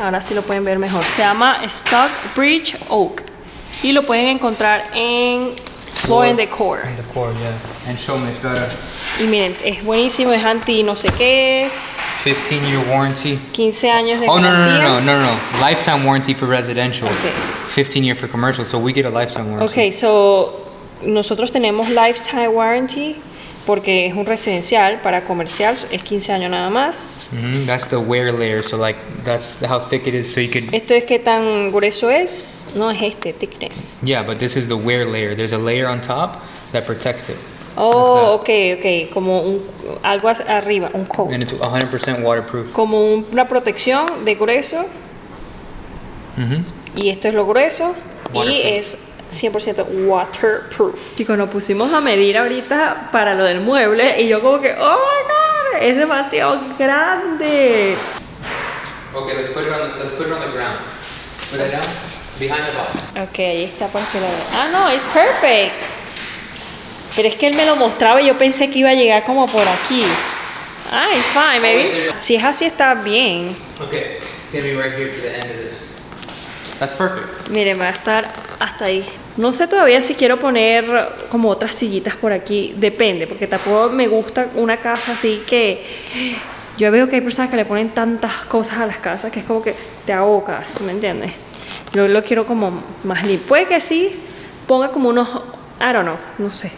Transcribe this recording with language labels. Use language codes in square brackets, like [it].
[es] Ahora sí lo pueden ver mejor. Se llama Stock Bridge Oak. Y lo pueden encontrar en Floor and Decor. [en] And Decor, yeah. And show me, it's got a... [es] Y miren, es buenísimo, es anti no sé qué. [en] 15 year warranty. [es] 15 años de garantía. No. [en] Lifetime warranty for residential. Okay. 15 year for commercial, so we get a lifetime warranty. [es] Okay, so nosotros tenemos lifetime warranty. Porque es un residencial, para comercial es 15 años nada más. Mm-hmm. [en] That's the wear layer, so like that's how thick it is, so you could. [es] Esto es qué tan grueso es, no es este thickness. [en] Yeah, but this is the wear layer. There's a layer on top that protects it. [es] Oh, okay, como un algo arriba, un coat. [en] And it's 100% waterproof. [es] Como una protección de grueso. Mm-hmm. Y esto es lo grueso. Waterproof. Y es 100% waterproof. Chicos, nos pusimos a medir ahorita para lo del mueble y yo como que, [en] oh my god, [es] es demasiado grande. [en] Okay, let's put it on the ground. Put it down behind the box. [es] Okay, ahí está para que lo vea. Ah, no, [en] it's perfect. [es] Pero es que él me lo mostraba y yo pensé que iba a llegar como por aquí. [en] Ah, it's fine, maybe. [es] Si es así está bien. [en] Okay, can be right here to the end of this. That's perfect. [es] Miren, va a estar hasta ahí. No sé todavía si quiero poner como otras sillitas por aquí. Depende, porque tampoco me gusta una casa así que... Yo veo que hay personas que le ponen tantas cosas a las casas que es como que te ahogas, ¿me entiendes? Yo lo quiero como más limpio. Puede que sí ponga como unos... [en] I don't know, [es] no sé.